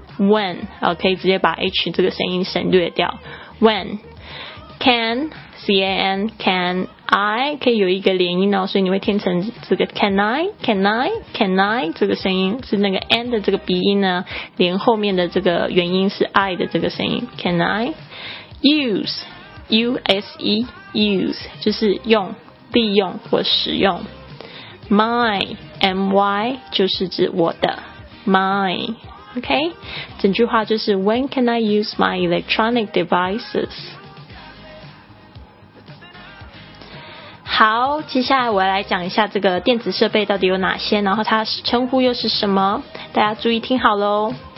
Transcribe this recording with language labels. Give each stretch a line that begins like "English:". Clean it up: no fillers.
Chinese: When 可以直接把 h 这个声音省略掉。 When can c a n can I 可以有一个连音哦，所以你会听成这个 can I 这个声音是那个 n 的这个鼻音呢，连后面的这个元音是 i 的这个声音。 Can I use u s e use 就是用。利用或使用 My My 就是指我的 My OK 整句话就是
English: When can I use my electronic devices?
Chinese: 好，接下来我要来讲一下这个电子设备到底有哪些，然后它称呼又是什么，大家注意听好咯。